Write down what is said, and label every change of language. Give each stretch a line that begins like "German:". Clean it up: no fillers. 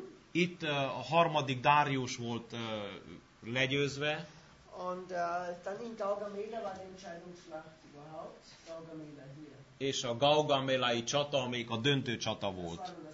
Hungarian: Itt a harmadik Dárius volt legyőzve.
German: Und dann in Gaugamela war die Entscheidungsschlacht überhaupt.
Hungarian: És a Gaugamelai csata, amelyik a döntő csata volt.